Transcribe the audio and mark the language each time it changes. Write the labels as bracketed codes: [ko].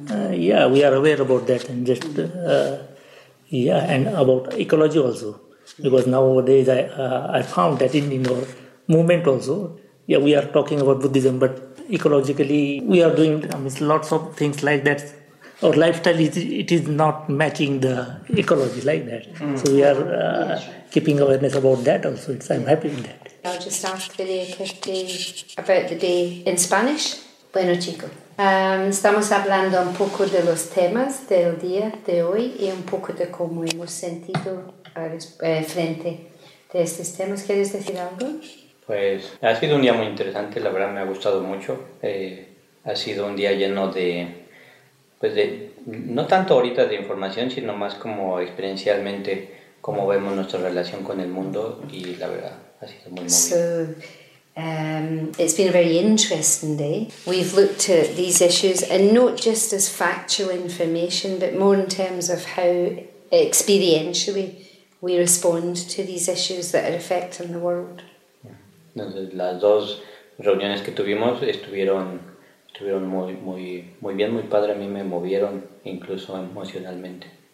[en] Yeah, we are aware about that, and just and about ecology also, because nowadays I found that in our movement also, yeah, we are talking about Buddhism, but ecologically we are doing lots of things like that. Our lifestyle is not matching the ecology like that. Mm. So we are keeping awareness about that also. I'm happy with that. I'll just ask Vidya Kirti about the day in Spanish. [es] Bueno, chico. Estamos hablando un poco de los temas del día de hoy y un poco de cómo hemos sentido frente de estos temas. ¿Quieres decir algo? Pues ha sido un día muy interesante. La verdad, me ha gustado mucho. Ha sido un día lleno de... pues de, no tanto ahorita de información, sino más como experiencialmente cómo vemos nuestra relación con el mundo, y la verdad ha sido muy movido. [en] So, it's been a very interesting day. We've looked at these issues, and not just as factual information, but more in terms of how experientially we respond to these issues that are affecting the world. [es] Entonces, las dos reuniones que tuvimos estuvieron muy, muy, muy bien, muy padre. A mí me movieron, incluso emocionalmente.